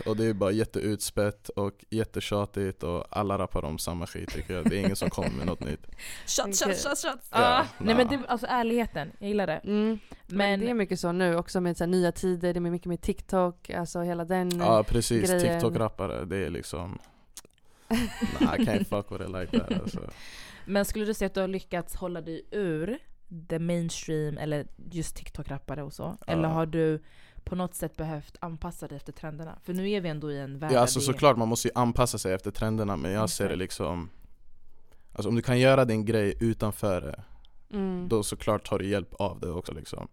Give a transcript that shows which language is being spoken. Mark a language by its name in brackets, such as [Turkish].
[Swedish] Och det är bara jätteutspätt och jättetjatigt, och alla rappar om samma skit tycker jag. Det är ingen som kommer med något nytt. [English] Shot. [Swedish] Ja, nej, men det, alltså ärligheten, jag gillar det. Mm. Men det är mycket så nu också med så här, nya tider, det är mycket med TikTok, alltså hela den grejen. Ja, precis. TikTok-rappare, det är liksom... [English] Nah, I can't fuck with it like that, alltså. [Swedish] Men skulle du säga att du har lyckats hålla dig ur [English] the mainstream [Swedish] eller just TikTok-rappare och så? Eller har du på något sätt behövt anpassa dig efter trenderna? För nu är vi ändå i en värld. Ja, alltså, såklart, man måste ju anpassa sig efter trenderna. Men jag ser det liksom, alltså, om du kan göra din grej utanför det, då såklart tar du hjälp av det också liksom.